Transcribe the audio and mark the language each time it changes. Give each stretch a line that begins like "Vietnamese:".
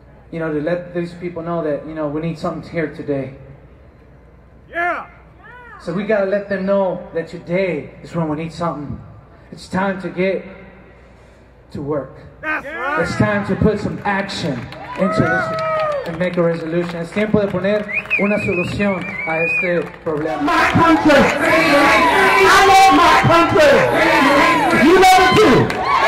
English: You know, to let these people know that, you know, we need something here today. Yeah! So we got to let them know that today is when we need something. It's time to get to work. That's right. It's time to put some action into this and make a resolution.
Spanish: Es tiempo de poner una solución a este problema.
English: My country! I love my country! You know it too!